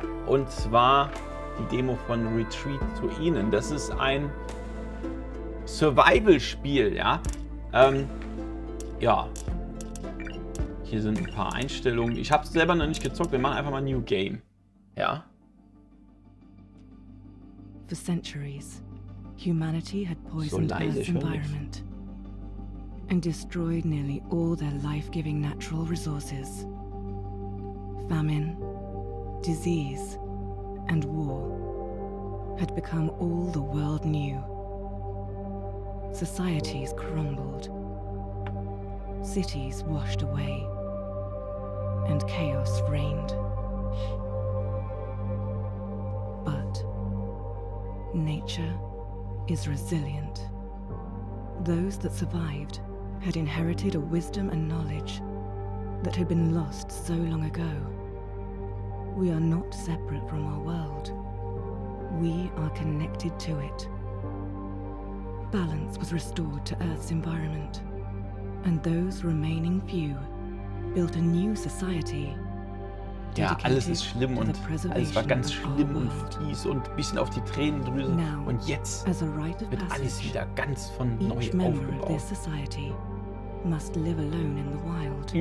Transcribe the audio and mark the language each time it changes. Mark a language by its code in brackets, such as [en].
[de] Und zwar die Demo von Retreat to Eden. Das ist ein Survival-Spiel, ja. Ja. Hier sind ein paar Einstellungen. Ich habe es selber noch nicht gezockt. Wir machen einfach mal New Game. Ja. [en] For centuries, humanity had poisoned so Earth's environment and destroyed nearly all their life-giving natural resources. Famine, disease, and war had become all the world knew. Societies crumbled, cities washed away, and chaos reigned. Nature is resilient. Those that survived had inherited a wisdom and knowledge that had been lost so long ago. We are not separate from our world. We are connected to it. Balance was restored to Earth's environment, and those remaining few built a new society. [de] Ja, alles ist schlimm und alles war ganz schlimm und fies und ein bisschen auf die Tränendrüse. Und jetzt wird alles wieder ganz von neu aufgebaut.